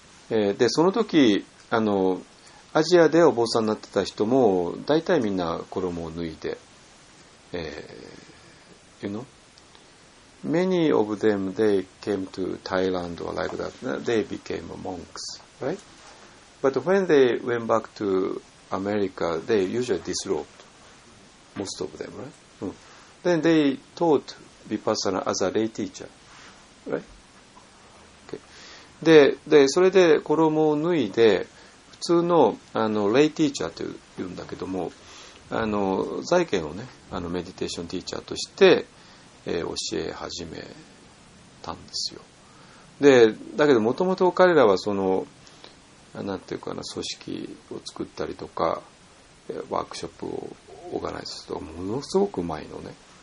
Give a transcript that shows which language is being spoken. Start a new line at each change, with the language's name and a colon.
Japanese: でその時アジアでお坊さんになってた人も大体みんな衣を脱いで、
English: You know? Many of them, they came to Thailand or like that. They became monks, right? But when they went back to America, they usually disrobed, most of them, right? Then they taught Vipassana as a lay teacher, right?
Japanese: でそれで衣を脱いで普通のレイティーチャーというんだけども、在家のねメディテーションティーチャーとして、教え始めたんですよ。でだけどもともと彼らはそのなんていうかな、組織を作ったりとかワークショップをオーガナイズするとものすごくうまいのね。